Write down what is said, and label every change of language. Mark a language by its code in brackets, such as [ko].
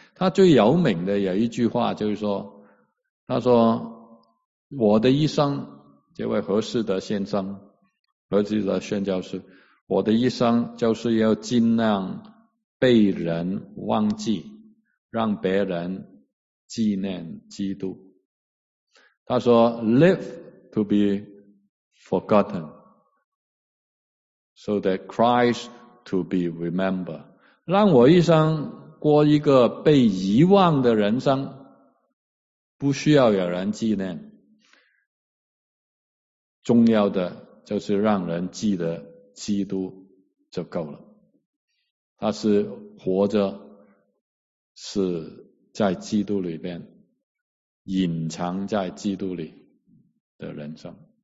[zh] 他最有名的有一句话就是说，他说我的一生，这位何士德先生，何士德宣教士，我的一生就是要尽量被人忘记，让别人纪念基督。 [en] 他说 Live to be forgotten so that Christ to be remembered， [zh] 让我一生过一个被遗忘的人生，不需要有人纪念。重要的就是让人记得基督就够了。他是活着，是在基督里边，隐藏在基督里的人生。